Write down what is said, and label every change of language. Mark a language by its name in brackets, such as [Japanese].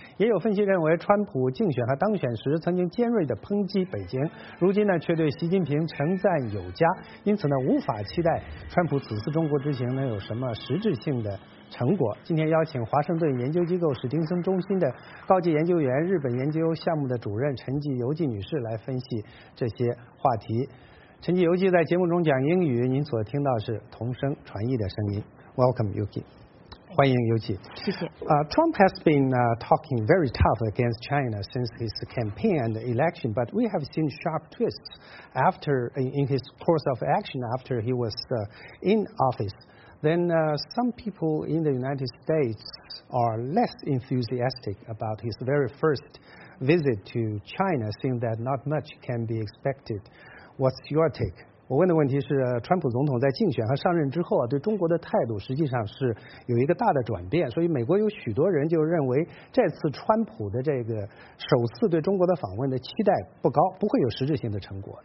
[Chinese] 也有分析认为，川普竞选和当选时曾经尖锐地抨击北京，如今呢却对习近平称赞有加，因此呢无法期待川普此次中国之行能有什么实质性的成果。今天邀请华盛顿研究机构史汀森中心的高级研究员、日本研究项目的主任陈继游记女士来分析这些话题。陈继游记在节目中讲英语，您所听到是同声传译的声音。 [English] Welcome, Yuki. [Chinese] 欢迎游记。谢谢。 [English] Trump has been talking very tough against China since his campaign and election, but we have seen sharp twists after in his course of action after he was in office. Then some people in the United States are less enthusiastic about his very first visit to China, seeing that not much can be expected. What's your take? [Chinese] 我问的问题是，川普总统在竞选和上任之后啊，对中国的态度实际上是有一个大的转变，所以美国有许多人就认为这次川普的这个首次对中国的访问的期待不高，不会有实质性的成果。